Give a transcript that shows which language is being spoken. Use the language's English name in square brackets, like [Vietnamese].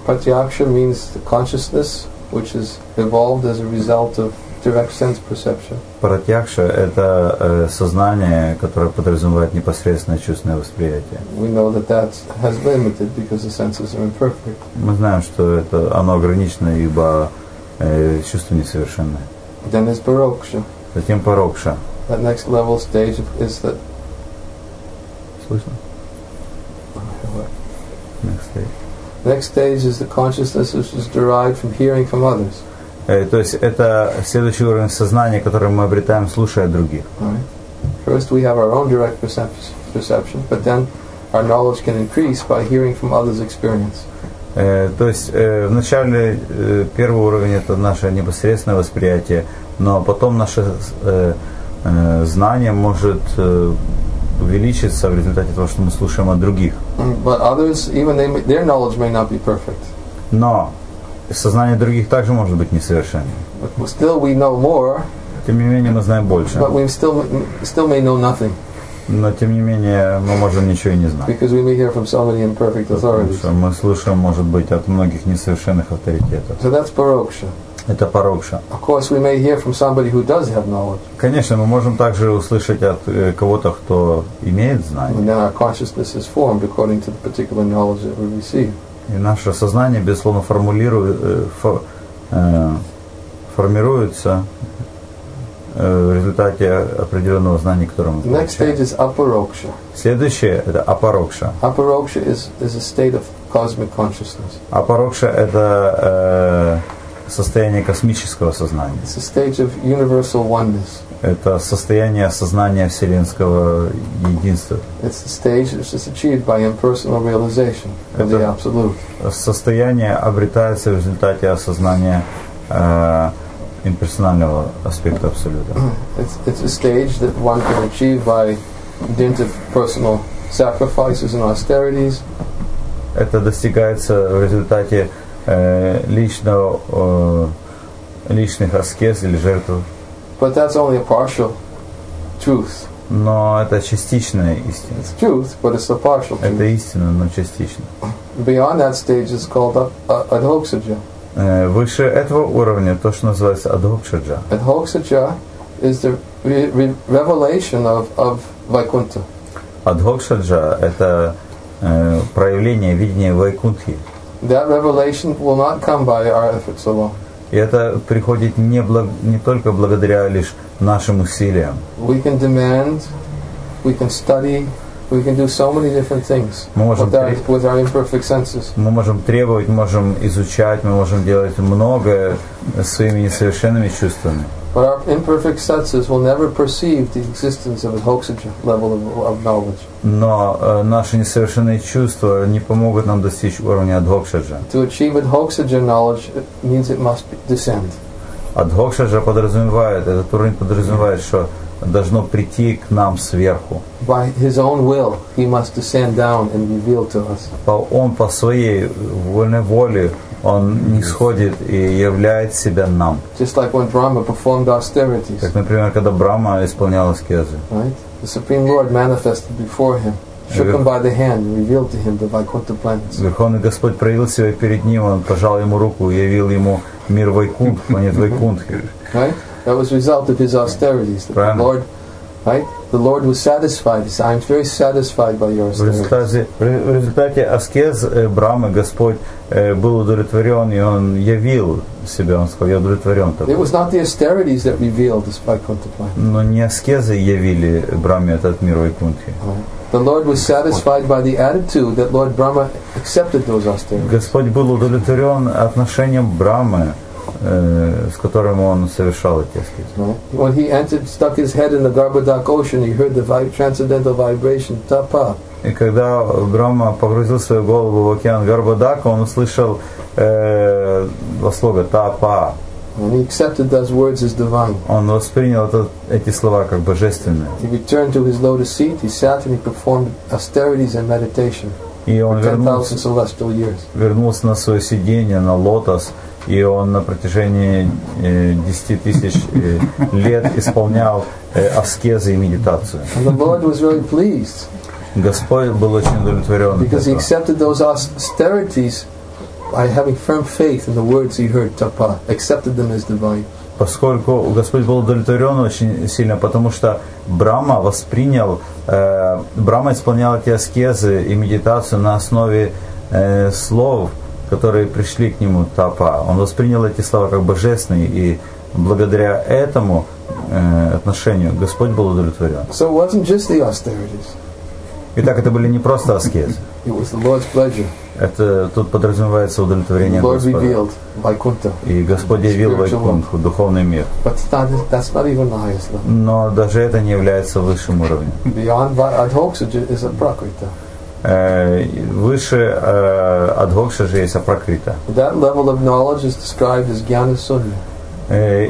[English] Pratyaksha means the consciousness which is evolved as a result of direct sense perception. [Russian] Pratyaksha – это сознание, которое подразумевает непосредственное чувственное восприятие. [English] We know that that has limited because the senses are imperfect. [Russian] Мы знаем, что это оно ограничено, ибо чувства несовершенны. [English] Then is paroksha. [Russian] Затем парокша. [English] That next level stage is that. [Russian] Слышно? [English] stage. Next stage is the consciousness which is derived from hearing from others. [Russian] То есть это следующий уровень сознания, который мы обретаем, слушая других. [English] First we have our own direct perception, but then our knowledge can increase by hearing from others' experience. [Russian] То есть вначале первый уровень — это наше непосредственное восприятие, но потом наше знание может увеличиться в результате того, что мы слушаем от других. [English] But others, even they, their knowledge may not be perfect. [Russian] Но сознание других также может быть несовершенным. [English] But still we know more. [Russian] Тем не менее, мы знаем больше. [English] But we still may know nothing. [Russian] Но тем не менее, мы можем ничего и не знать. [English] Because we may hear from so many imperfect authorities. [Russian] Потому что мы слушаем, может быть, от многих несовершенных авторитетов. [English] So that's paroksha. [Russian] Это парокша. [English] Of course, we may hear from somebody who does have knowledge. [Russian] Конечно, мы можем также услышать от кого-то, кто имеет знание. [English] And then our consciousness is formed according to the particular knowledge that we receive. [Russian] И наше сознание, безусловно, формируется в результате определенного знания, которое мы получаем. [English] Next stage is апарокша. [Russian] Следующее – это апарокша. [English] Апарокша is a state of cosmic consciousness. [Russian] Апарокша – это состояние космического сознания. [English] It's a stage of universal oneness. [Russian] Это состояние сознания вселенского единства. [English] It's a stage which is achieved by impersonal realization of the absolute. [Russian] Состояние обретается в результате осознания имперсонального аспекта абсолюта. [English] It's a stage that one can achieve by dint of personal sacrifices and austerities. [Russian] Это достигается в результате личных аскез или жертв. [English] But that's only a partial truth. [Russian] Но это частичная истина. [English] It's truth, but it's a partial truth. [Russian] Это истина, но частично. [English] Beyond that stage is called adhoksaja. [Russian] Выше этого уровня то, что называется адхоксаджа. [English] Адхоксаджа is the revelation of Вайкунта. [Russian] Адхоксаджа — это проявление видения Вайкунтхи. [English] That revelation will not come by our efforts alone. [Russian] И это приходит не только благодаря лишь нашим усилиям. [English] We can demand, we can study, we can do so many different things. [Russian] Мы можем [English] with our imperfect senses. [Russian] Мы можем требовать, можем изучать, мы можем делать многое своими несовершенными чувствами. [English] But our imperfect senses will never perceive the existence of a hoksaja level of knowledge. [Russian] Но наши несовершенные чувства не помогут нам достичь уровня адхоксаджа. [English] To achieve a hoksaja knowledge means it must descend. [Russian] Адхоксаджа подразумевает, этот уровень подразумевает, что должно прийти к нам сверху. [English] By his own will, he must descend down and reveal to us. [Russian] Он по своей вольной воле, он нисходит и являет себя нам. [English] Just like when Brahma performed austerities. [Russian] Как, например, когда Брахма исполнял аскезы. [English] Right? The Supreme Lord manifested before him, shook him by the hand, revealed to him the Vaikuntha planets. [Russian] Верховный Господь проявил себя перед ним, он пожал ему руку, явил ему мир Вайкунт, планет Вайкунтхи. [English] That was a result of his austerities. [Russian] Правильно. [English] The Lord, right? The Lord was satisfied. He said, I'm very satisfied by your austerities. [Russian] В результате аскез Брахмы Господь был удовлетворен, и он явил себя, он сказал, я удовлетворен тобой. [English] It was not the austerities that revealed this Vaikuntha plan. [Russian] Но не аскезы явили Брахме этот мир Вайкунтхи. [English] The Lord was satisfied by the attitude that Lord Brahma accepted those austerities. [Russian] Господь был удовлетворен отношением Брахмы, с которым он совершал эти аскезы. [English] When he entered, stuck his head in the Garbhodak ocean, he heard the transcendental vibration tapa. [Russian] И когда Брахма погрузил свою голову в океан Гарбхадака, он услышал два слова тапа. [English] And he accepted those words as divine. [Russian] Он воспринял эти слова как божественные. [English] He returned to his lotus seat. He sat and he performed austerities and meditation for 10,000 celestial years. [Russian] Вернулся на свое сиденье, на лотос, и он на протяжении 10,000 лет исполнял аскезы и медитацию. [English] And the Lord was really pleased. [Russian] Господь был очень удовлетворен. [English] Because he accepted those austerities by having firm faith in the words he heard, tapa, accepted them as divine. [Russian] Поскольку Господь был удовлетворен очень сильно, потому что Брахма воспринял, Брахма исполнял эти аскезы и медитацию на основе слов, которые пришли к нему, тапа. Он воспринял эти слова как божественные, и благодаря этому отношению Господь был удовлетворен. [English] So it wasn't just the austerities. [Russian] Итак, это были не просто аскезы. [English] It was the Lord's pleasure. [Russian] Это тут подразумевается удовлетворение [English] Lord [Russian] Господа. [English] Revealed, Vaikuntha, [Russian] и Господь явил Вайкунтху, духовный мир. [English] But that's not even the highest level. [Russian] Но даже это не является высшим уровнем. [English] Beyond that, Adhoksha is a Prakrita. [Russian] Выше Адхокша же есть Апракрита. [English] That level of knowledge is described as Gyana Sunya.